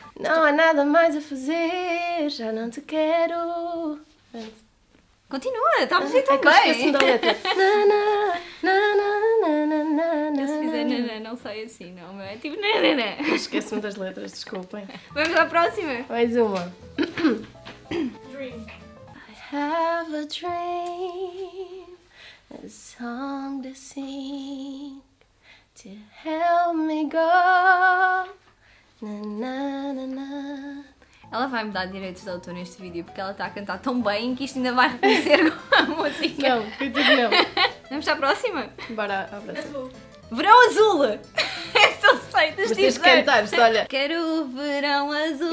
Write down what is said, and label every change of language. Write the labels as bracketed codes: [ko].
[pt] Não há nada mais a fazer, já não te quero. Continua, está a fazer tão bem. Eu esqueci da letra. Na, na, na, na, na, na, na, na. Eu se fizer na, na, não sei assim, não é? Tipo, na, na, na. Esqueço-me das letras, desculpem. Vamos à próxima. Mais uma. [en] Dream. I have a dream, a song to sing, to help me go. Na, na, na, na. [pt] Ela vai me dar direitos de autor neste vídeo porque ela está a cantar tão bem que isto ainda vai reconhecer com a música. Não, eu digo não. Vamos à próxima? Bora à próxima. Verão azul! Essa eu sei, tens de cantar, olha. Quero o verão azul.